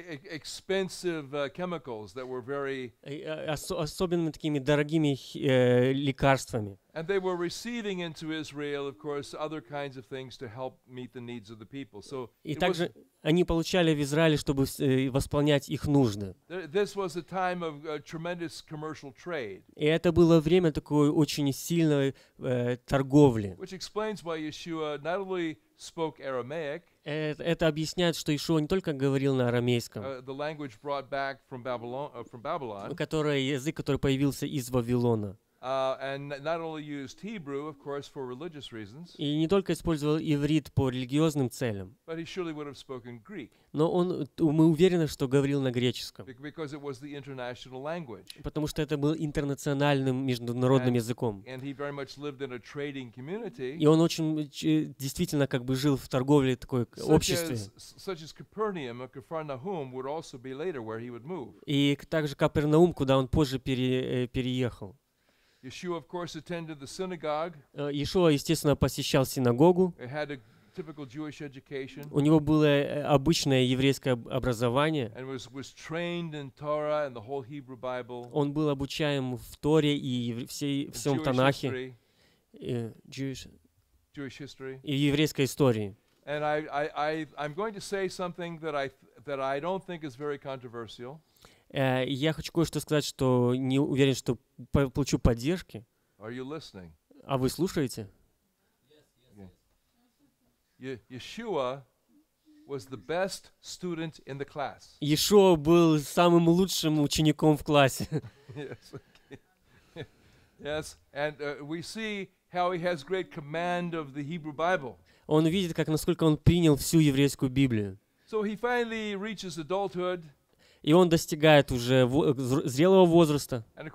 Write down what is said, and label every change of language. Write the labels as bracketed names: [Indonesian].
[English] Expensive chemicals that were very [Russian] особенно такими дорогими лекарствами. [English] And they were receiving into Israel, of course, other kinds of things to help meet the needs of the people. So [Russian] и также они получали в Израиле, чтобы восполнять их нужды. [English] This was a time of tremendous commercial trade. [Russian] И это было время такой очень сильной торговли. [English] Which explains why Yeshua not only spoke Aramaic. [Russian] Это объясняет, что Иешуа не только говорил на арамейском, [English] the language brought back from Babylon, from Babylon, [Russian] который язык, который появился из Вавилона. [English] And not only used Hebrew, of course, for religious reasons. [Russian] И не только использовал иврит по религиозным целям. [English] But he surely would have spoken Greek. [Russian] Но он, мы уверены, что говорил на греческом. [English] Because it was the international language. [Russian] Потому что это был интернациональным международным языком. [English] And he very much lived in a trading community. [Russian] И он очень действительно как бы жил в торговле такой обществе. [English] Such as Capernaum or Capernaum would also be later where he would move. [Russian] И также Капернаум, куда он позже переехал. [English] Yeshua, of course, attended the synagogue. [Russian] Yeshua, естественно, посещал синагогу. [English] He had a typical Jewish education. [Russian] У него было обычное еврейское образование. [English] And was trained in Torah and the whole Hebrew Bible. [Russian] Он был обучаем в Торе и всем Танахе. [English] Jewish history. [Russian] И еврейской истории. [English] And I'm going to say something that I don't think is very controversial. [Russian] Я хочу кое-что сказать, что не уверен, что получу поддержки. [English] Are you listening? [Russian] А вы слушаете? [English] Yeshua was the best student in the class. [Russian] Yeshua был самым лучшим учеником в классе. [English] Yes, okay. Yes, and we see how he has great command of the Hebrew Bible. [Russian] Он видит, как насколько он принял всю еврейскую Библию. [English] So he finally reaches adulthood. [Russian] И он достигает уже зрелого возраста.